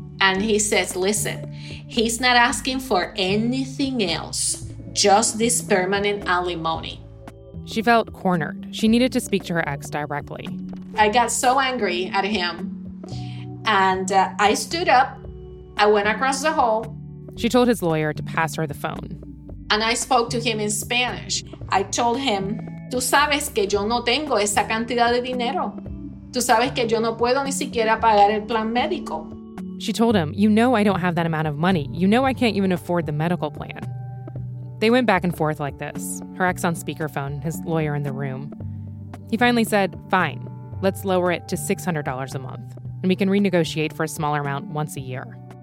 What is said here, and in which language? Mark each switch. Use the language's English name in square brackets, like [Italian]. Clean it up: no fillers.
[English] And he says, listen, he's not asking for anything else, just this permanent alimony. She felt cornered. She needed to speak to her ex directly. I got so angry at him. And I stood up. I went across the hall. She told his lawyer to pass her the phone. And I spoke to him in Spanish. I told him, [Spanish] tú sabes que yo no tengo esa cantidad de dinero. Tú sabes que yo no puedo ni siquiera pagar el plan médico. [English] She told him, you know I don't have that amount of money. You know I can't even afford the medical plan. They went back and forth like this, her ex on speakerphone, his lawyer in the room. He finally said, fine, let's lower it to $600 a month, and we can renegotiate for a smaller amount once a year.